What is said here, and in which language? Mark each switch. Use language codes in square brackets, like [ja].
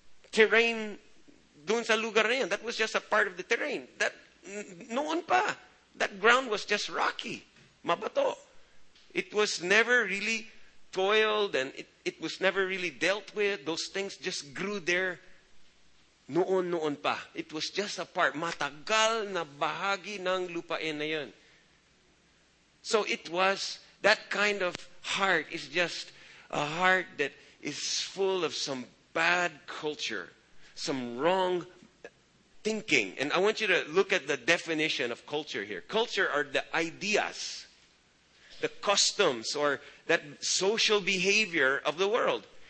[en] Terrain [tl] doon sa lugar na yan, [en] that was just a part of the terrain. That [tl] noon pa, [en] that ground was just rocky. [tl] Mabato. [en] It was never really toiled and it was never really dealt with. Those things just grew there [tl] noon pa. [en] It was just a part. [tl] Matagal na bahagi ng lupain na yun. [en] So it was, that kind of heart is just a heart that is full of some bad culture, some wrong thinking. And I want you to look at the definition of culture here. Culture are the ideas, the customs, or that social behavior of the world.